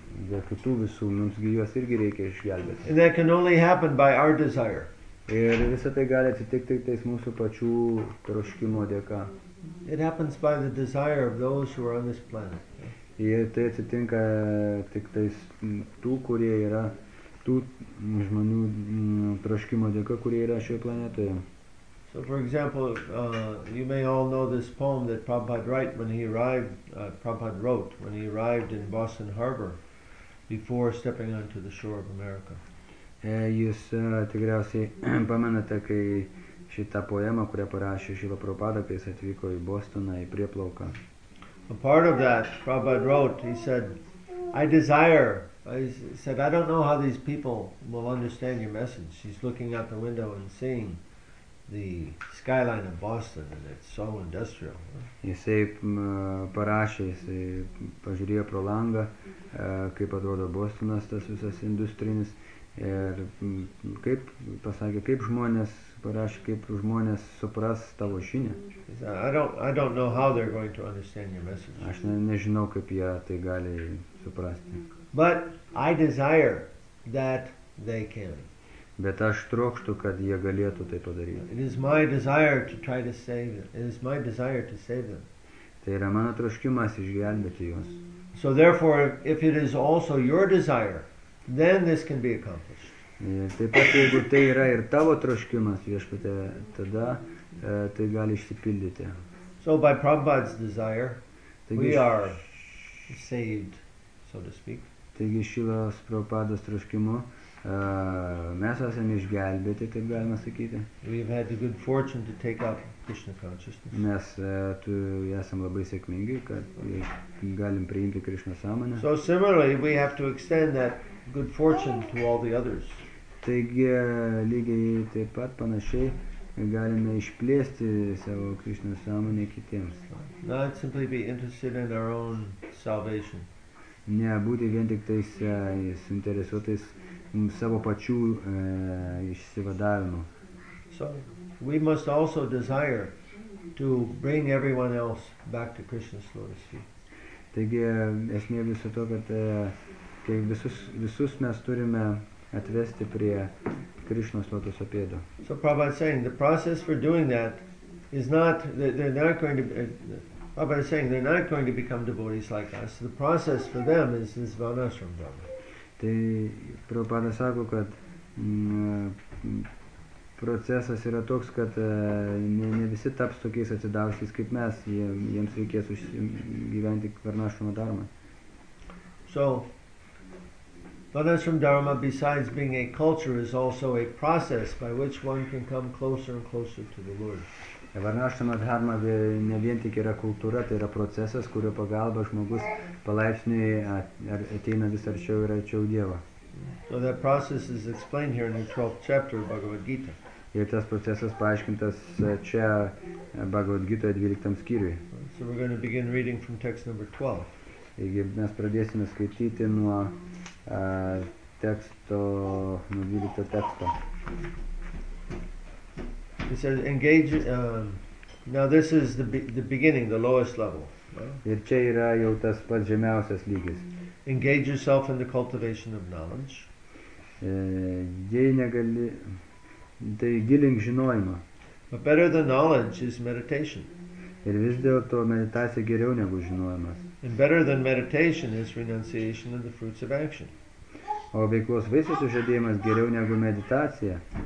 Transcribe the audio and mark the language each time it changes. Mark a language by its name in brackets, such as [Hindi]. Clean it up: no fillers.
[Lithuanian] Dėl kitų visų, mums juos irgi reikia išgelbėti. [English] And that can only happen by our desire. [Lithuanian] Ir visa tai gali atsitikti tiktais mūsų pačių troškimo dėka. [English] It happens by the desire of those who are on this planet. [Lithuanian] Ir tai atsitinka tiktais tų, kurie yra, tų žmonių troškimo dėka, kurie yra šioje planetoje. [English] So for example, you may all know this poem that Prabhupada wrote when he arrived in Boston Harbor before stepping onto the shore of America. [Lithuanian] Jūs tikriausiai pamenate, kai šitą poemą, kurią parašė Šrila Prabhupada, kai jis atvyko į Bostoną, į prieplauką. [English] A part of that, Prabhupada wrote, he said, I don't know how these people will understand your message. He's looking out the window and seeing the skyline of Boston, and it's so industrial. [Lithuanian] Jisai parašė, jisai pažiūrėjo pro langą, kaip atrodo Bostonas, tas visas industrinis, ir kaip pasakė, kaip žmonės supras tavo žinę. [English] I don't know how they're going to understand your message. [Lithuanian] Aš nežinau, kaip jie tai gali suprasti. [English] But I desire that they can. [Lithuanian] Bet aš trokštu, kad jie galėtų tai padaryti. [English] It is my desire to try to save them. It is my desire to save them. [Lithuanian] Tai yra mano troškimas išgelbėti juos. [English] So therefore, if it is also your desire, then this can be accomplished. [Lithuanian] Taip pat, jeigu tai yra ir tavo troškimas, Viešpatie, tada tai gali išsipildyti. [English] So by Prabhupada's desire, we are saved, so to speak. [Lithuanian] Taigi Šilos Prabhupados troškimu, mes esame išgelbėti, taip galima sakyti. [English] We've had the good fortune to take up Krishna consciousness. [Lithuanian] Mes esam labai sėkmingi, kad galim priimti Krishna sąmonę. [English] So similarly, we have to extend that good fortune to all the others. [Lithuanian] Taigi lygiai taip pat panašiai galime išplėsti savo Krishna sąmonę kitiems. [English] Not simply be interested in our own salvation. [Lithuanian] Ne būti vien tik tais suinteresuotais savo pačių išsivadavimu. [English] So we must also desire to bring everyone else back to Krishna's lotus feet. [Lithuanian] Taigi esmė viso to, kad kai visus mes turime atvesti prie Krishnos lotuso pėdų. [English] So Prabhupada is saying the process for doing that is not they're not going to become devotees like us. The process for them is this vanashram dharma. [Lithuanian] Tai Prabhupada sako, kad procesas yra toks, kad ne visi taps tokiais atsidavusiais kaip mes, jiems reikės gyventi varnašrama dharma. [English] So Vanashram dharma, besides being a culture, is also a process by which one can come closer and closer to the Lord. [Lithuanian] Varnashrama dharma ne vien tik yra kultūra, tai yra procesas, kurio pagalba žmogus palaipsniui ateina vis arčiau ir arčiau Dievo. [English] So that process is explained here in the 12th chapter of Bhagavad Gita. [Lithuanian] Ir tas procesas paaiškintas čia Bhagavad Gita 12 skyriui. [English] So we're going to begin reading from text number 12. [Lithuanian] Taigi mes pradėsime skaityti nuo teksto, nuo 12 teksto. [English] It says engage. Now this is the beginning, the lowest level. Right? [Lithuanian] Ir čia yra jau tas pats žemiausias lygis. [English] Engage yourself in the cultivation of knowledge. [Lithuanian] Jei negali, tai gilink žinojimą. [English] But better than knowledge is meditation. [Lithuanian] Ir vis dėlto meditacija geriau negu žinojimas. [English] And better than meditation is renunciation of the fruits of action. [Lithuanian] O veiklos vaisius užadėjimas geriau negu meditacija.